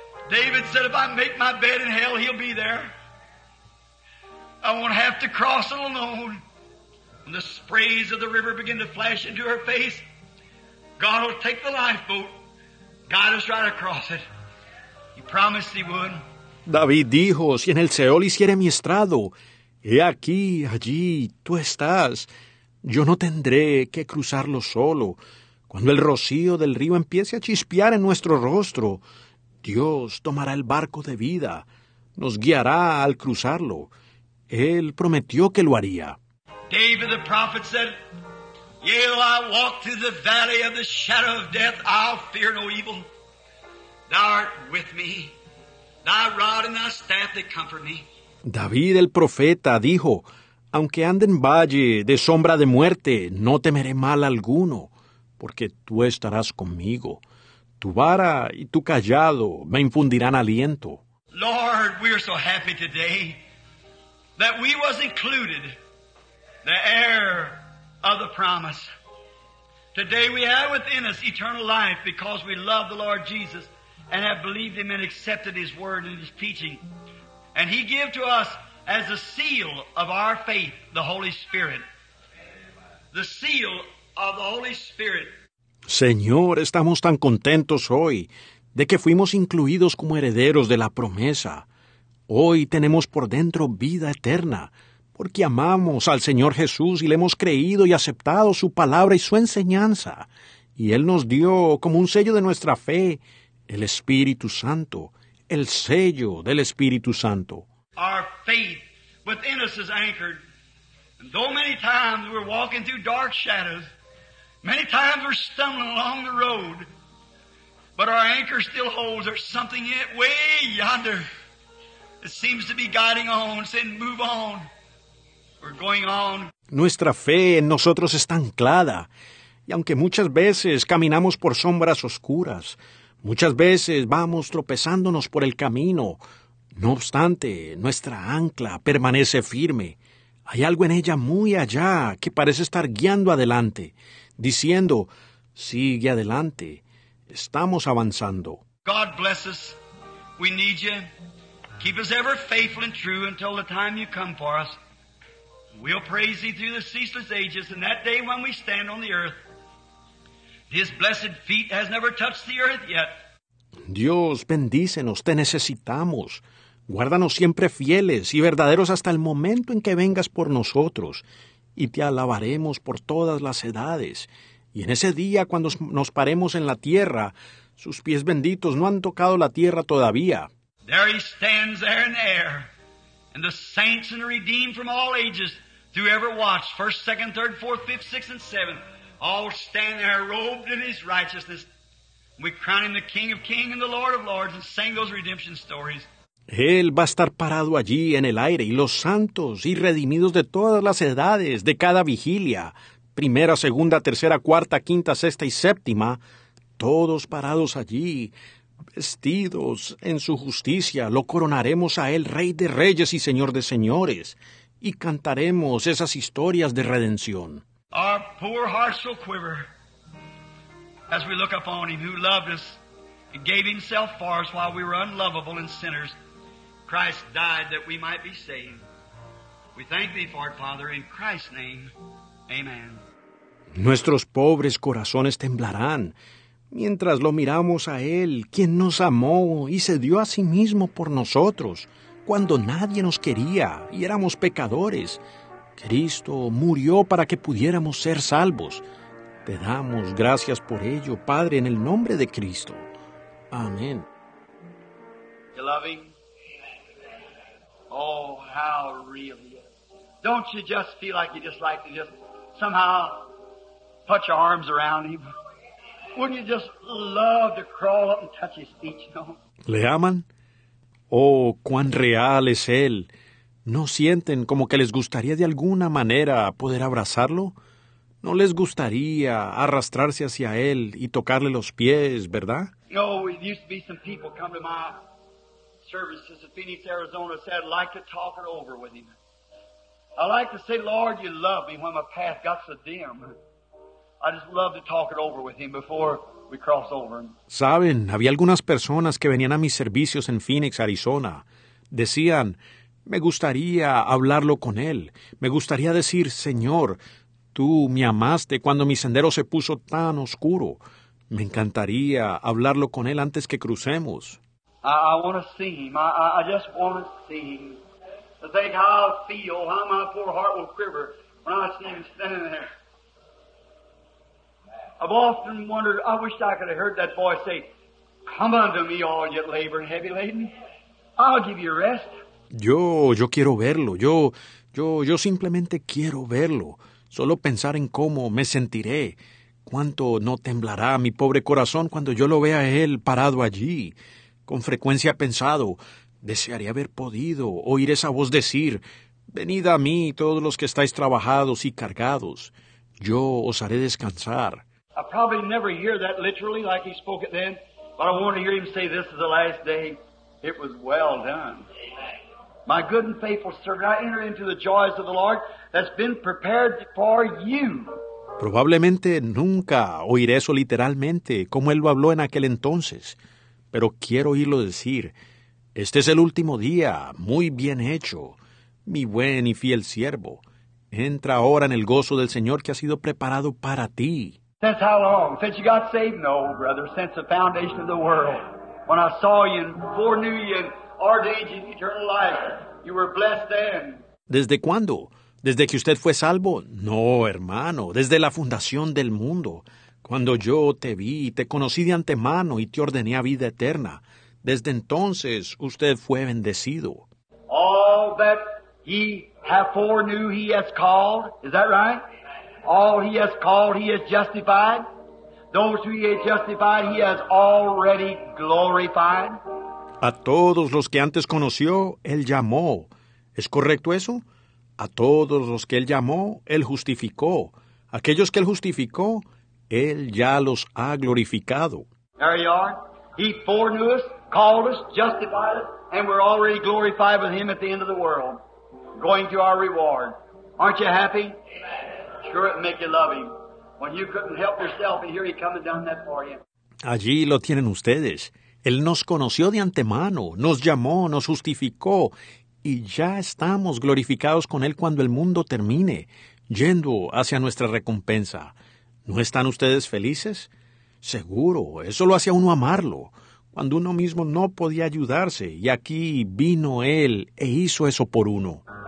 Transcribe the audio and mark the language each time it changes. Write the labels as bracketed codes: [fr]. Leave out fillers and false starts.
[en] David said, if I make my bed in hell, he'll be there. I won't have to cross it alone. When the sprays of the river begin to flash into her face, God will take the lifeboat, guide us right across it. He promised he would. [es] David dijo, si en el Seol hiciere mi estrado, he aquí, allí, tú estás. Yo no tendré que cruzarlo solo. Cuando el rocío del río empiece a chispear en nuestro rostro, Dios tomará el barco de vida, nos guiará al cruzarlo. Él prometió que lo haría. [en] David the prophet said, yea, though I walk through the valley of the shadow of death, I'll fear no evil. Thou art with me. Thy rod and thy staff, they comfort me. [es] David el profeta dijo, aunque ande en valle de sombra de muerte, no temeré mal alguno, porque tú estarás conmigo. Tu vara y tu cayado me infundirán aliento. [en] Lord, we are so happy today that we was included, the heir of the promise. Today we have within us eternal life because we love the Lord Jesus and have believed him and accepted his word and his teaching. And he gave to us as a seal of our faith the Holy Spirit. The seal of the Holy Spirit. [es] Señor, estamos tan contentos hoy de que fuimos incluidos como herederos de la promesa. Hoy tenemos por dentro vida eterna, porque amamos al Señor Jesús y le hemos creído y aceptado su palabra y su enseñanza. Y Él nos dio, como un sello de nuestra fe, el Espíritu Santo, el sello del Espíritu Santo. [en] Our faith within us is anchored. And though many times we're walking through dark shadows, many times we're stumbling along the road, but our anchor still holds. There's something yet way yonder that seems to be guiding on, saying, move on. We're going on. [es] Nuestra fe en nosotros está anclada. Y aunque muchas veces caminamos por sombras oscuras, muchas veces vamos tropezándonos por el camino, no obstante, nuestra ancla permanece firme. Hay algo en ella muy allá que parece estar guiando adelante, diciendo, sigue adelante, estamos avanzando. [en] God bless us. We need you. Keep us ever faithful and true until the time you come for us. We'll praise thee through the ceaseless ages, and that day when we stand on the earth, his blessed feet has never touched the earth yet. [es] Dios, bendícenos, te necesitamos. Guárdanos siempre fieles y verdaderos hasta el momento en que vengas por nosotros, y te alabaremos por todas las edades. Y en ese día, cuando nos paremos en la tierra, sus pies benditos no han tocado la tierra todavía. [en] There he stands there in the air, and the saints and the redeemed from all ages, through every watch, first, second, third, fourth, fifth, sixth, and seventh, all stand there robed in his righteousness. We crown him the King of Kings and the Lord of Lords, and sing those redemption stories. [es] Él va a estar parado allí en el aire, y los santos y redimidos de todas las edades, de cada vigilia, primera, segunda, tercera, cuarta, quinta, sexta y séptima, todos parados allí, vestidos en su justicia, lo coronaremos a él, Rey de Reyes y Señor de Señores, y cantaremos esas historias de redención. [en] Our poor hearts will quiver as we look upon him who loved us and gave himself for us while we were unlovable and sinners. Christ died that we might be saved. We thank thee for it, Father, in Christ's name. Amen. [es] Nuestros pobres corazones temblarán mientras lo miramos a Él, quien nos amó y se dio a sí mismo por nosotros, cuando nadie nos quería y éramos pecadores. Cristo murió para que pudiéramos ser salvos. Te damos gracias por ello, Padre, en el nombre de Cristo. Amén. [en] Beloved, oh, how real he is. Don't you just feel like you just like to just somehow put your arms around him? Wouldn't you just love to crawl up and touch his feet, you know? [es] ¿Le aman? Oh, cuán real es él. ¿No sienten como que les gustaría de alguna manera poder abrazarlo? ¿No les gustaría arrastrarse hacia él y tocarle los pies, verdad? [en] You know, it used to be some people come to my services in Phoenix, Arizona, said, I'd like to talk it over with him. I'd like to say, Lord, you love me when my path got so dim. I'd just love to talk it over with him before we cross over. [es] Saben, había algunas personas que venían a mis servicios en Phoenix, Arizona. Decían, Me gustaría hablarlo con él. Me gustaría decir, Señor, tú me amaste cuando mi sendero se puso tan oscuro. Me encantaría hablarlo con él antes que crucemos. [en] I want to see him. I just want to see him. Think how I feel, how my poor heart will quiver when I see him standing there. I've often wondered, I wish I could have heard that voice say, come unto me, all ye labor and heavy laden. I'll give you rest. [es] Yo quiero verlo. Yo simplemente quiero verlo. Solo pensar en cómo me sentiré. ¿Cuánto no temblará mi pobre corazón cuando yo lo vea a él parado allí? Con frecuencia he pensado, desearía haber podido oír esa voz decir, «Venid a mí, todos los que estáis trabajados y cargados. Yo os haré descansar». [en] I probably never hear that literally like he spoke it then, but I want to hear him say, this is the last day. It was well done. My good and faithful servant, I enter into the joys of the Lord that's been prepared for you. [es] Probablemente nunca oiré eso literalmente, como él lo habló en aquel entonces. Pero quiero oírlo decir, este es el último día, muy bien hecho, mi buen y fiel siervo. Entra ahora en el gozo del Señor que ha sido preparado para ti. [en] Since how long? Since you got saved? No, brother, since the foundation of the world. When I saw you and foreknew you and ordained you in eternal life, you were blessed then. [es] ¿Desde cuándo? ¿Desde que usted fue salvo? No, hermano, desde la fundación del mundo. Cuando yo te vi y te conocí de antemano y te ordené a vida eterna, desde entonces usted fue bendecido. [en] All that he have foreknew he has called, is that right? All he has called he has justified. Those who he has justified he has already glorified. [es] A todos los que antes conoció, él llamó. ¿Es correcto eso? A todos los que él llamó, él justificó. Aquellos que él justificó, él ya los ha glorificado. [en] There you are. He foreknew us, called us, justified us, and we're already glorified with him at the end of the world, going to our reward. Aren't you happy? Amen. Sure, it'll make you love him. When you couldn't help yourself, and here he comes and done that for you. [es] Allí lo tienen ustedes. Él nos conoció de antemano, nos llamó, nos justificó, y ya estamos glorificados con él cuando el mundo termine, yendo hacia nuestra recompensa. ¿No están ustedes felices? Seguro, eso lo hacía uno amarlo, cuando uno mismo no podía ayudarse, y aquí vino él e hizo eso por uno.